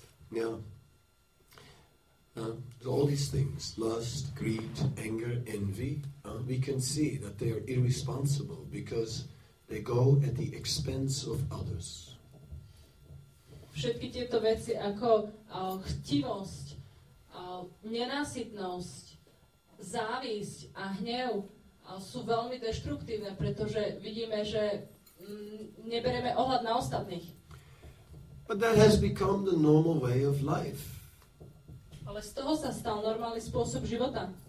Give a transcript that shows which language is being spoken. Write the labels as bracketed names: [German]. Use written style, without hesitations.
[English] Now, all these things, lust, greed, anger, envy, we can see that they are irresponsible because they go at the expense of others. [Slovak] Všetky tieto veci ako chtivosť, nenásytnosť, závisť a hnev sú veľmi destruktívne, pretože vidíme, že neberieme ohľad na ostatných. [English] But that has become the normal way of life. [Slovak] Ale z toho sa stal normálny spôsob života.